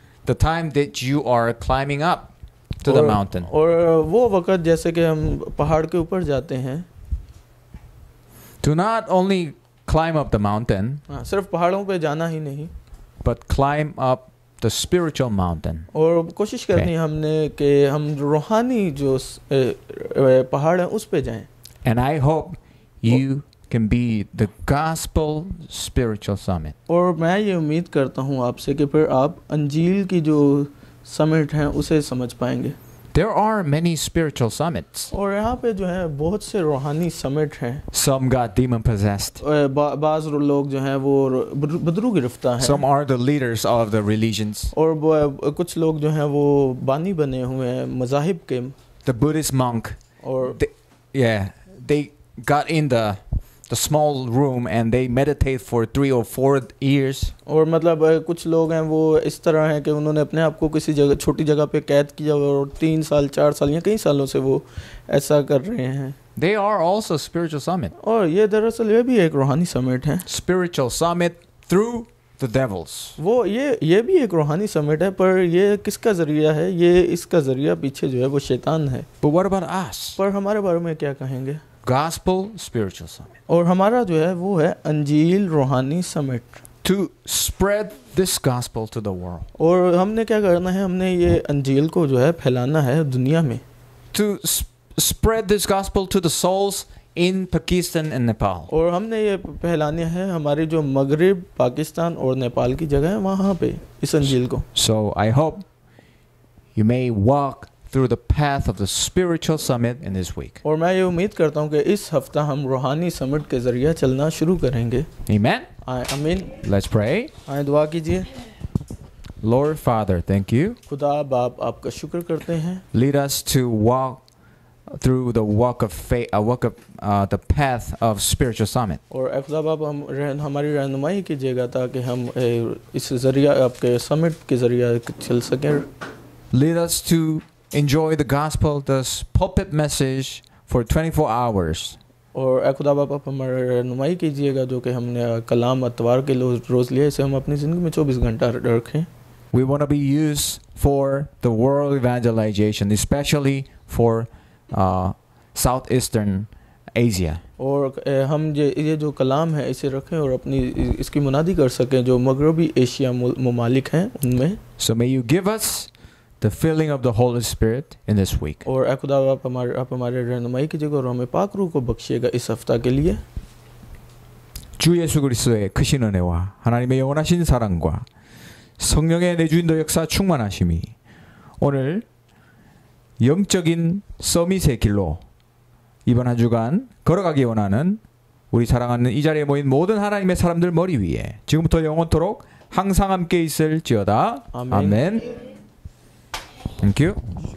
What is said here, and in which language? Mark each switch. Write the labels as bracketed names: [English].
[English] The time that you are climbing up to the mountain. [Hindi] और वो वक्त जैसे कि हम पहाड़ के ऊपर जाते हैं. [English] Do not only climb up the mountain. [Hindi] सिर्फ पहाड़ों पे जाना ही नहीं. [English] But climb up the spiritual mountain. [Hindi] और कोशिश करनी है हमने कि हम रूहानी जो पहाड़ है उस पे जाएं. [English] And I hope you can be the gospel spiritual summit. [Hindi] और मैं ये उम्मीद करता हूँ आपसे कि फिर आप अंजील की जो समिट हैं उसे समझ पाएंगे. [English] There are many spiritual summits. [Hindi] और यहाँ पे जो हैं बहुत से रूहानी समिट हैं. [English] Some got demon possessed. [Hindi] बाज़ लोग जो हैं वो बदरू गिरफ्तार हैं. [English] Some are the leaders of the religions. [Hindi] और कुछ लोग जो हैं वो बानी बने हुए हैं मज़ाहिब के. [English] The Buddhist monk. और they got in the small room and they meditate for 3 or 4 years. [Hindi] और मतलब कुछ लोग हैं वो इस तरह हैं कि उन्होंने अपने आप को किसी जगह छोटी जगह पे कैद किया और 3 साल 4 साल या कई सालों से वो ऐसा कर रहे हैं. [English] They are also spiritual summit. [Hindi] और ये दरअसल ये भी एक रूहानी समिट है. [English] Spiritual summit through the devils. [Hindi] वो ये भी एक रूहानी समिट है पर ये किसका जरिया है? ये इसका जरिया पीछे जो है वो शैतान है. [English] But what about us? [Hindi] पर हमारे बारे में क्या कहेंगे? [English] Gospel spiritual summit. [Hindi] और हमारा जो है वो है अंजील रूहानी summit. [English] To spread this gospel to the world. [Hindi] और हमने क्या करना है? हमने ये अंजील को जो है फैलाना है दुनिया में. [English] To spread this gospel to the souls in Pakistan and Nepal. [Hindi] और हमने ये फैलाना है हमारी जो मगरिब पाकिस्तान और नेपाल की जगह है वहां पे इस अंजील को. [English] So I hope you may walk through the path of the spiritual summit in this week. [Hindi] और मैं ये उम्मीद करता हूँ कि इस हफ्ता हम रूहानी समिट के जरिए चलना शुरू करेंगे. [English] Amen. Amen. Let's pray. [Hindi] आइए दुआ कीजिए. [English] Lord Father, thank you. [Hindi] खुदा बाप आपका शुक्र करते हैं. [English] Lead us to walk through the walk of faith, the path of spiritual summit. [Hindi] और खुदा बाप हमारी रहनुमाई कीजिएगा ताकि हम इस जरिए आपके समिट के जरिए चल सकें. [English] Lead us to enjoy the gospel, the pulpit message for 24 hours. [Hindi] और खुदा बाप आप हमारी रहनुमाई कीजिएगा जो कि हमने कलाम अतवार के रोज लिया इसे हम अपनी जिंदगी में 24 घंटा रखें. [English] We want to be used for the world evangelization, especially for southeastern Asia. [Hindi] और हम ये जो कलाम है इसे रखें और अपनी इसकी मुनादी कर सकें जो मगरबी एशिया ममालिक हैं उनमें. [English] So may you give us the filling of the Holy Spirit in this week. [Hindi] और खुदा आप हमारे रहनुमाई कीजिएगा और हमें पाक रूह को बख्शिएगा इस हफ्ता के लिए. [Korean] 주 예수 그리스도의 크신 은혜와 하나님의 영원하신 사랑과 성령의 내주인도 역사 충만하심이 오늘 영적인 서밋의 길로 이번 한 주간 걸어가기 원하는 우리 사랑하는 이 자리에 모인 모든 하나님의 사람들 머리 위에 지금부터 영원토록 항상 함께 있을지어다. 아멘. 아멘. [English] Thank you.